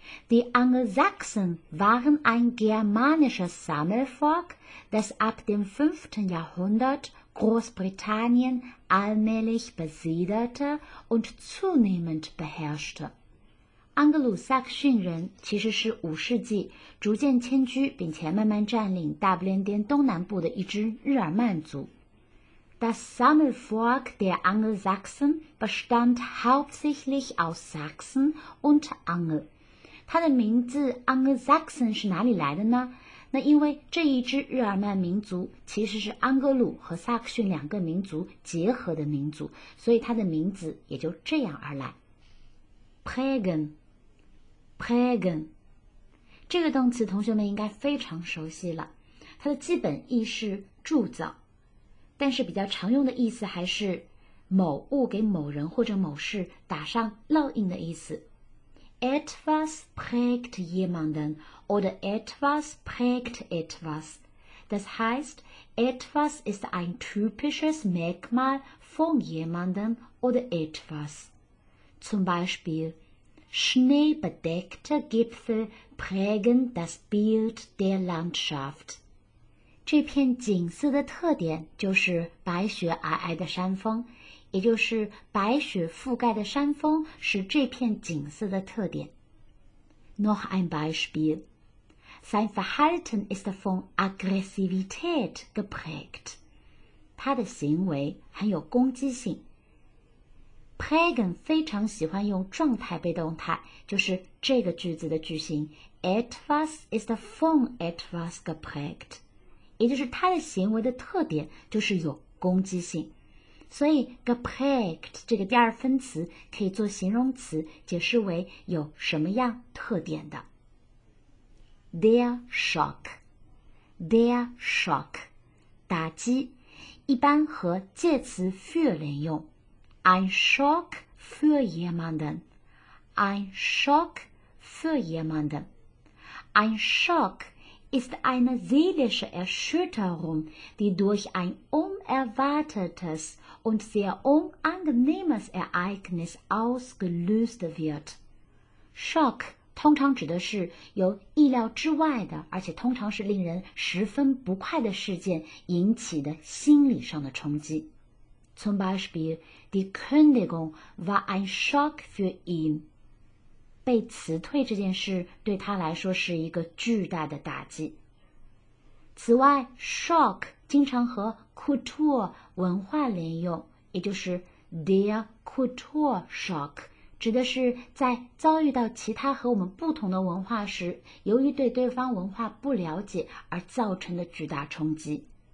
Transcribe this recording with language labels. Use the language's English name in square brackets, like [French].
[German] Die Angelsachsen waren ein germanisches Sammelvolk, das ab dem 5. Jahrhundert Großbritannien allmählich besiedelte und zunehmend beherrschte. [Chinese] 安格鲁萨克逊人其实是五世纪逐渐迁居并且慢慢占领大不列颠东南部的一支日耳曼族。 [German] Das Sammelvolk der Angelsachsen bestand hauptsächlich aus Sachsen und Angel. [Chinese] 它的名字 Angelsachsen 是哪里来的呢？那因为这一支日耳曼民族其实是安格鲁和萨克逊两个民族结合的民族，所以它的名字也就这样而来。 Pagan, Pagan， 这个动词同学们应该非常熟悉了，它的基本意是铸造，但是比较常用的意思还是某物给某人或者某事打上烙印的意思。 [German] Etwas prägt jemanden oder etwas prägt etwas. Das heißt, etwas ist ein typisches Merkmal von jemandem oder etwas. Zum Beispiel, schneebedeckte Gipfel prägen das Bild der Landschaft. [Chinese] 这片景色的特点就是白雪皑皑的山峰。也就是白雪覆盖的山峰是这片景色的特点。 [German] Noch ein Beispiel. Sein Verhalten ist von Aggressivität geprägt. [Chinese] 他的行为很有攻击性。 Prägen 非常喜欢用状态被动态，就是这个句子的句型 [German] Etwas ist von etwas geprägt. [Chinese] 也就是他的行为的特点就是有攻击性。所以 geprägt 这个第二分词可以做形容词，解释为有什么样特点的。 Der Schock， Der Schock， 打击，一般和介词 für 连用。 [German] Ein Schock für jemanden， Ein Schock für jemanden， Ein Schock ist eine seelische Erschütterung, die durch ein unerwartetesund sehr unangenehmes Ereignis ausgelöst wird. [Chinese] Schock 通常指的是由意料之外的，而且通常是令人十分不快的事件引起的心理上的冲击。 [German] Zum Beispiel, die Kündigung war ein Schock für ihn. [Chinese] 被辞退这件事对他来说是一个巨大的打击。此外 ,Schock 经常和 Kultur 文化连用，也就是 Der Kulturschock， 指的是在遭遇到其他和我们不同的文化时，由于对对方文化不了解而造成的巨大冲击。